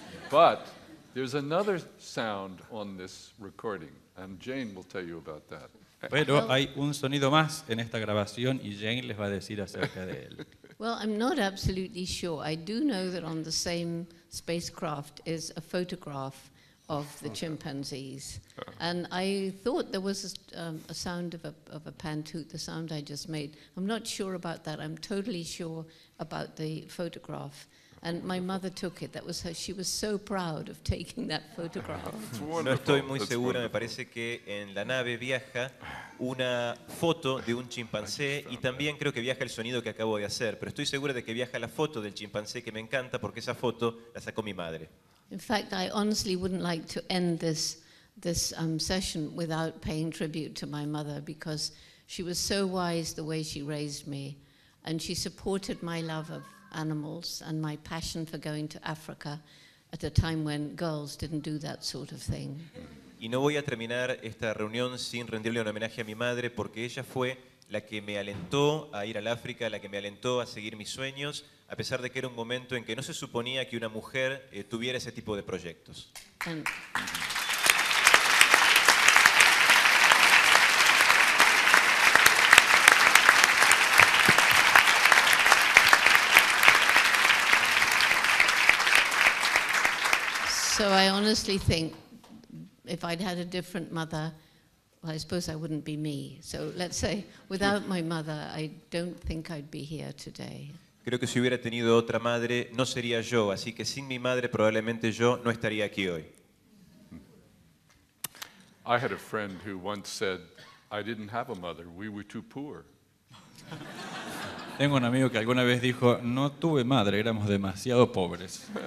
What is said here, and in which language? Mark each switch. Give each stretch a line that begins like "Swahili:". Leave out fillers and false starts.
English: But there's another sound on this recording, and Jane will tell you about that.
Spanish: Pero hay un sonido más en esta grabación y Jane les va a decir acerca de él.
English: Well, I'm not absolutely sure. I do know that on the same spacecraft is a photograph of the chimpanzees. And I thought there was a sound of a pantoot, the sound I just made. I'm not sure about that. I'm totally sure about the photograph. And my mother took it. That was her. She was so proud of taking that photograph.
Spanish: No estoy muy segura. Me parece que en la nave viaja una foto de un chimpancé y también creo que viaja el sonido que acabo de hacer. Pero estoy segura de que viaja la foto del chimpancé que me encanta porque esa foto la sacó mi madre.
English: In fact, I honestly wouldn't like to end this session without paying tribute to my mother, because she was so wise the way she raised me, and she supported my love of animals and my passion for going to Africa at a time when girls didn't do that sort of thing.
Spanish: Y no voy a terminar esta reunión sin rendirle un homenaje a mi madre, porque ella fue la que me alentó a ir al África, la que me alentó a seguir mis sueños, a pesar de que era un momento en que no se suponía que una mujer tuviera ese tipo de proyectos.
English: So I honestly think if I'd had a different mother, well, I suppose I wouldn't be me. So let's say without my mother, I don't think I'd be here today.
Spanish: Creo que si hubiera tenido otra madre, no sería yo. Así que sin mi madre, probablemente yo no estaría aquí hoy.
English: I had a friend who once said, I didn't have a mother. We were too poor.
Spanish: Tengo un amigo que alguna vez dijo, no tuve madre, éramos demasiado pobres.